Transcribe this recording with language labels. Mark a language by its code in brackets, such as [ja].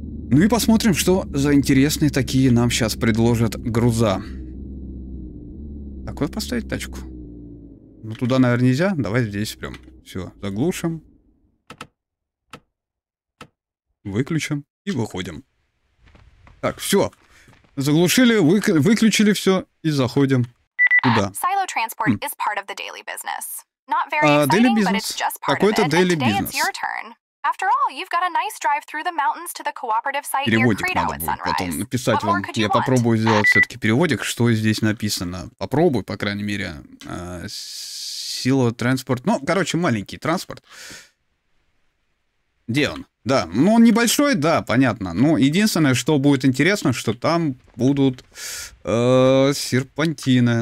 [ru] Ну и посмотрим, что за интересные такие нам сейчас предложат груза. Так, вот поставить тачку. Ну, туда, наверное, нельзя. Давай здесь прям все заглушим. Выключим и выходим. Так, все. Заглушили, выключили все и заходим туда. [en] Silo Transport is part of the daily business. Not very exciting, but it's just part of it. And today it's your turn. After all, you've got a nice drive through the mountains to the cooperative site near Credo at sunrise. [ru] Переводик надо будет потом написать вам. Я попробую сделать все-таки переводик, что здесь написано. Попробую, по крайней мере. [en] Silo Transport. [ru] Ну, короче, маленький транспорт. Где он? Да, ну он небольшой, да, понятно. Но единственное, что будет интересно, что там будут серпантины.